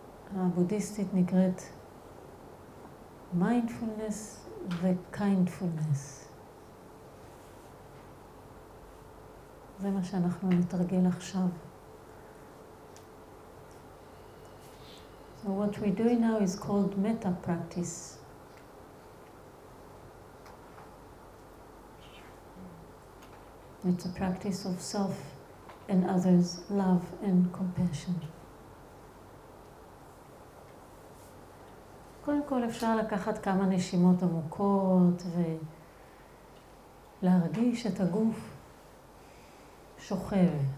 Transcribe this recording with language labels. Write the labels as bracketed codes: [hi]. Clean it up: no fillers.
[he] הדרך הבודהיסטית נקראת מיינדפולנס וקיינדפולנס. זה מה שאנחנו נתרגל עכשיו. [en] So what we're doing now is called metta practice. It's a practice of self and others, love and compassion. [he] קודם כל אפשר לקחת כמה נשימות עמוקות ולהרגיש את הגוף שוכב.